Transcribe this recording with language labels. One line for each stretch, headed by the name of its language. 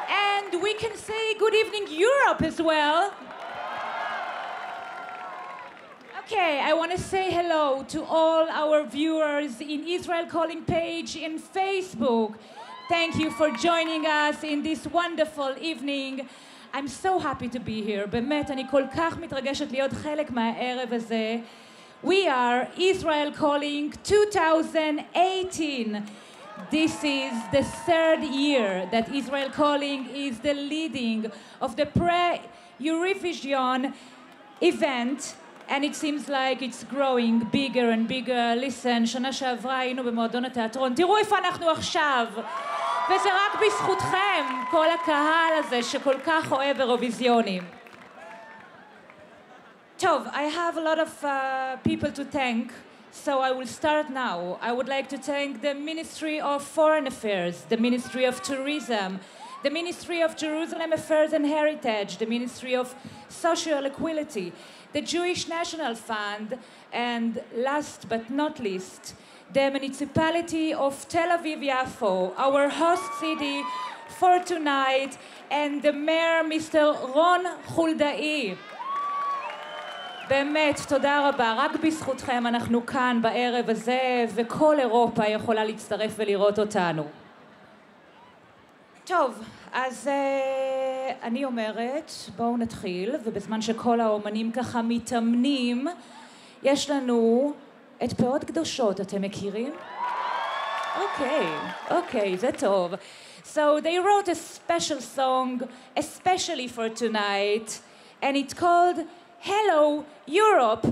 English: And we can say good evening, Europe as well. Okay, I want to say hello to all our viewers in Israel Calling page in Facebook. Thank you for joining us in this wonderful evening. I'm so happy to be here.
Hebrew: באמת, אני כל כך מתרגשת להיות חלק מהערב הזה.
English: We are Israel Calling 2018. This is the third year that Israel Calling is the leading of the pre-Eurovision event. And it seems like it's growing bigger and bigger.
Hebrew: Listen, שנה שעברה היינו במועדון התיאטרון. תראו איפה אנחנו עכשיו. וזה רק בזכותכם, כל הקהל הזה שכל כך אוהב אירוויזיונים.
English: טוב, I have a lot of people to thank, so I will start now. I would like to thank the Ministry of Foreign Affairs, the Ministry of Tourism, the Ministry of Jerusalem Affairs and Heritage, the Ministry of Social Equality, the Jewish National Fund, and last but not least, the Municipality of Tel Aviv Yafo, our host city for tonight, and the mayor, Mr.
Hebrew: Ron Huldai. באמת, תודה רבה. רק בזכותכם אנחנו כאן בערב הזה, וכל אירופה יכולה להצטרף ולראות אותנו. טוב, אז אני אומרת, בואו נתחיל, ובזמן שכל האומנים ככה מתאמנים, יש לנו את פאות קדושות, אתם מכירים? אוקיי, אוקיי, זה טוב.
English: So they wrote a special song, especially for tonight, and it's called Hello Europe.